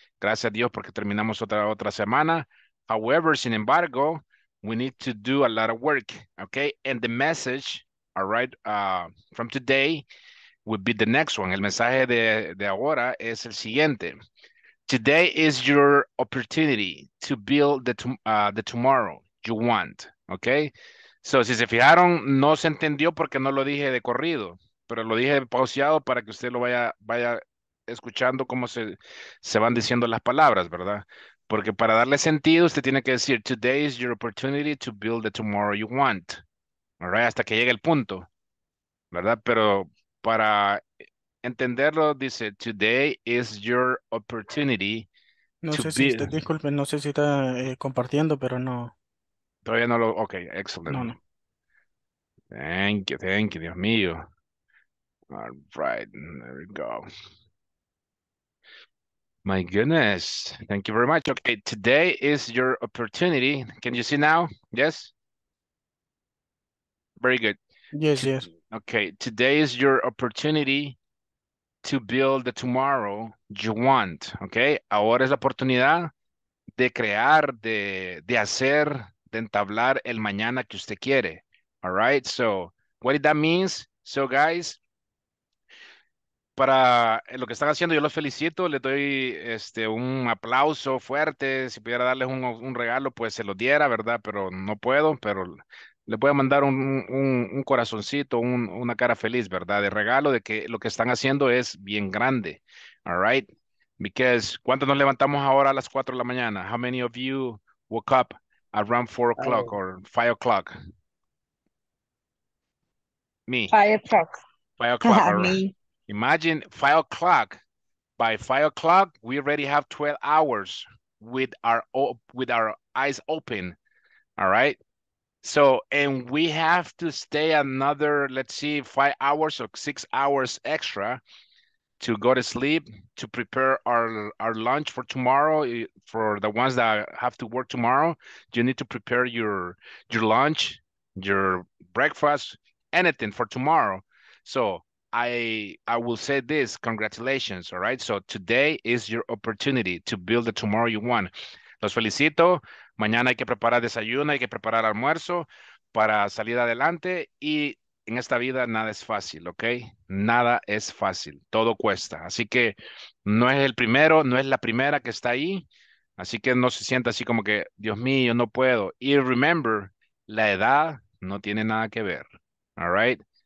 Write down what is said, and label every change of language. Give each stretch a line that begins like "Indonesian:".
Spanish: Gracias a Dios porque terminamos otra semana.
English: However,
Spanish: sin embargo,
English: we need to do a lot of work, okay? And the message, all right, from today would be the next one.
Spanish: El mensaje de ahora es el siguiente.
English: Today is your opportunity to build the tomorrow you want, okay?
Spanish: So, si se fijaron, no se entendió porque no lo dije de corrido. Pero lo dije pausado para que usted lo vaya escuchando cómo se van diciendo las palabras, ¿verdad? Porque para darle sentido, usted tiene que decir,
English: today is your opportunity to build the tomorrow you want. All right?
Spanish: Hasta que llegue el punto, ¿verdad? Pero para entenderlo, dice,
English: today is your opportunity
Spanish: no to sé build. Si usted, disculpe, no sé si está compartiendo, pero no. Todavía no lo...
English: Okay, excellent.
Spanish: No, no.
English: Thank you,
Spanish: Dios mío.
English: All right, there we go. My goodness, thank you very much. Okay, today is your opportunity. Can you see now? Yes? Very good. Yes, yes. Okay, today is your opportunity to build the tomorrow you want, okay?
Spanish: Ahora es la oportunidad de crear, de hacer, de entablar el mañana que usted quiere.
English: All right, so what that means, so guys,
Spanish: para lo que están haciendo, yo los felicito, les doy un aplauso fuerte. Si pudiera darles un regalo, pues se lo diera, ¿verdad? Pero no puedo, pero les voy a mandar un corazoncito, una cara feliz, ¿verdad? De regalo, de que lo que están haciendo es bien grande.
English: All right? Because,
Spanish: ¿cuántos nos levantamos ahora a las 4 de la mañana?
English: How many of you woke up around 4 o'clock or 5 o'clock? Me. 5 o'clock. 5 o'clock, all right. Me. Imagine 5 o'clock. By 5 o'clock, we already have 12 hours with our eyes open. All right. So, and we have to stay another, let's see, 5 hours or 6 hours extra to go to sleep, to prepare our lunch for tomorrow. For the ones that have to work tomorrow, you need to prepare your lunch, your breakfast, anything for tomorrow. So I will say this, congratulations, all right? So today is your opportunity to build the tomorrow you want.
Spanish: Los felicito. Mañana hay que preparar desayuno, hay que preparar almuerzo para salir adelante. Y en esta vida nada es fácil, ¿ok? Nada es fácil. Todo cuesta. Así que no es el primero, no es la primera que está ahí. Así que no se sienta así como que, Dios mío, yo no puedo. Y remember, la edad no tiene nada que ver, all right?